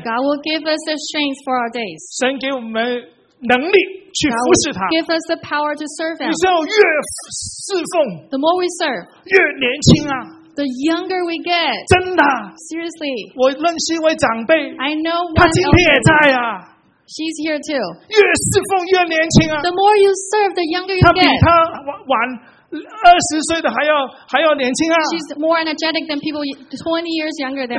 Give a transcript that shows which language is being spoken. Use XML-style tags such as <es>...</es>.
<en>God will give us the strength for our days.</en> <zh>神给我们能力去服侍他。</zh> <en>Give us the power to serve him.</en> <zh>你说越侍奉</zh> <en>，The more we serve.</en> <zh>越年轻啊。</zh> <en>The younger we get,</en> <zh>真的</zh> <en>seriously,</en> <zh>我认识一位长辈</zh> <en>I know one</en> <zh>他今天也在啊</zh> <en>She's here too.</en> <zh>越侍奉越年轻啊</zh> <en>The more you serve, the younger you get.</en> <zh>他比他晚二十岁的还要年轻啊</zh> <en>She's more energetic than people 20 years younger than</en>